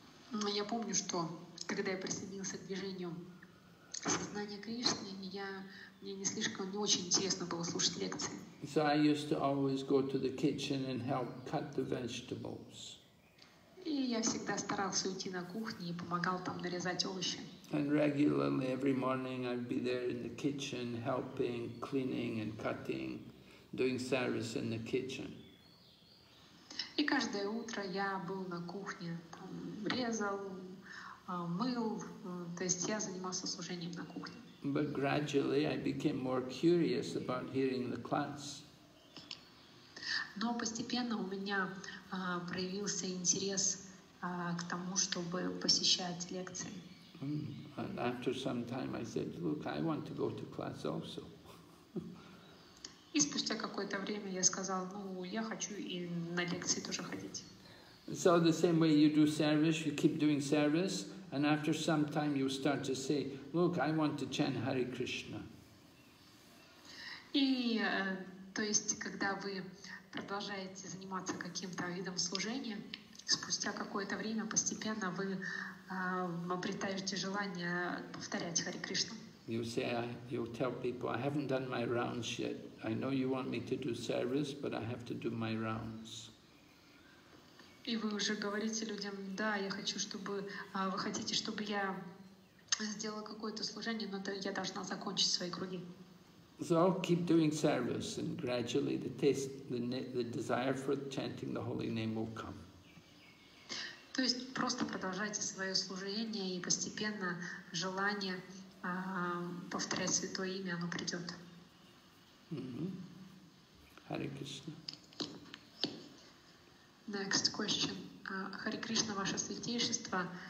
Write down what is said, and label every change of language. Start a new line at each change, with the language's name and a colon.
Russian: Но я помню, что когда я присоединился к движению сознания Кришны, мне не слишком, не очень интересно было слушать лекции.
English: So I used to always go to the kitchen and help cut the vegetables.
Russian: И я всегда старался уйти на кухню и помогал там нарезать овощи.
English: And regularly every morning I'd be there in the kitchen helping, cleaning and cutting, doing service in the kitchen.
Russian: И каждое утро я был на кухне, там, резал, мыл, то есть я занимался служением на кухне.
English: But gradually I became more curious about hearing the class.
Russian: Но постепенно у меня проявился интерес к тому, чтобы посещать лекции.
English: And after some time I said, look, I want to go to class also.
Russian: И спустя какое-то время я сказал, я хочу и на лекции тоже ходить.
English: So the same way you do service, you keep doing service, and after some time you start to say, look, I want to chant Hare Krishna.
Russian: И то есть, когда вы продолжаете заниматься каким-то видом служения, спустя какое-то время постепенно вы обретаете желание повторять Хари Кришну.
English: You say, you tell people, I haven't done my rounds yet. I know you want me to do service, but I have to do my rounds.
Russian: И вы уже говорите людям, да, я хочу, чтобы вы хотите, чтобы я сделала какое-то служение, но я должна закончить свои круги.
English: So I'll keep doing service, and gradually the taste, the desire for chanting the holy name will come.
Russian: То есть просто продолжайте свое служение, и постепенно желание повторять святое имя, оно придет.
English: Hare Krishna. Next question. Hare Krishna,
Russian: ваше святейшество.